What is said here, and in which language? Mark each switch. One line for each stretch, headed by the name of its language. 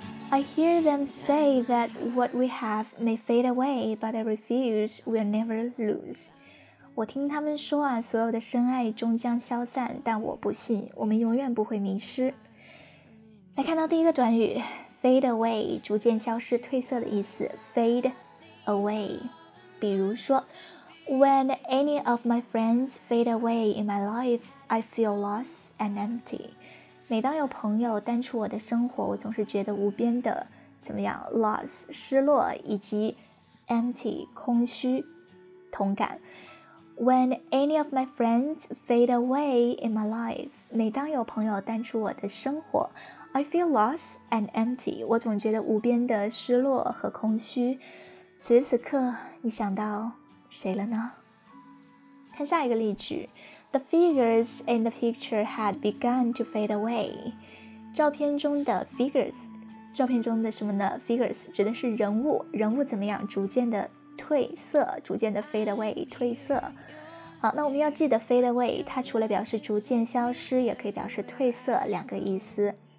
English: I hear them say that what we have may fade away, but I refuse, we'll never lose.
Chinese: 我听他们说啊，所有的深爱终将消散，但我不信，我们永远不会迷失。来看到第一个短语 fade away， 逐渐消失，褪色的意思 fade away。比如说
English: When any of my friends fade away in my life, I feel lost and empty.
Chinese: 每当有朋友淡出我的生活，我总是觉得无边的怎么样 loss 失落，以及 empty 空虚同感。
English: When any of my friends fade away in my life,
Chinese: 每当有朋友淡出我的生活，
English: I feel lost and empty.
Chinese: 我总觉得无边的失落和空虚。此时此刻你想到谁了呢？看下一个例句，
English: The figures in the picture had begun to fade away.
Chinese: 照片中的 figures， 照片中的什么呢？ Figures 指的是人物，人物怎么样？逐渐的褪色，逐渐的 fade away， 褪色。好，那我们要记得 fade away， 它除了表示逐渐消失，也可以表示褪色，两个意思。